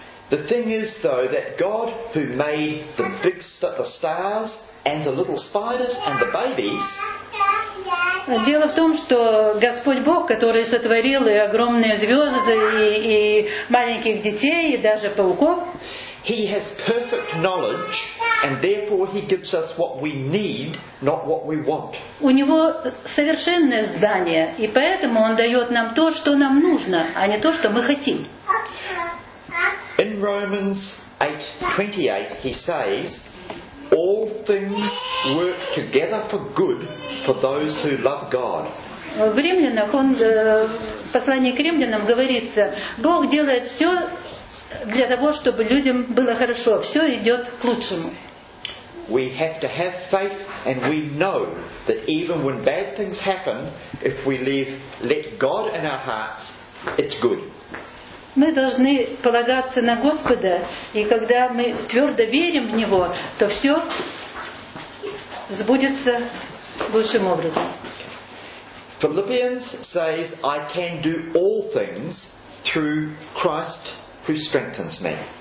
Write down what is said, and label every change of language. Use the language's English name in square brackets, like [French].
[English] The thing is, though, that God, who made the big stars and the little spiders and the babies, [Russian] дело в том, что Господь Бог, который сотворил и огромные звезды и маленьких детей и даже пауков, [English] He has perfect knowledge, and therefore He gives us what we need, not what we want. [Russian] У него совершенное знание, и поэтому Он дает нам то, что нам нужно, а не то, что мы хотим. [English] In Romans 8:28, he says, "All things work together for good for those who love God." [Russian] В Римлянах он, послание к Римлянам говорится, Бог делает все для того, чтобы людям было хорошо. Все идет к лучшему. [English] We have to have faith, and we know that even when bad things happen, if we let God in our hearts, it's good. [Russian] Мы должны полагаться на Господа, и когда мы твердо верим в Него, то все сбудется лучшим образом. [English] Philippians says, "I can do all things through Christ who strengthens me."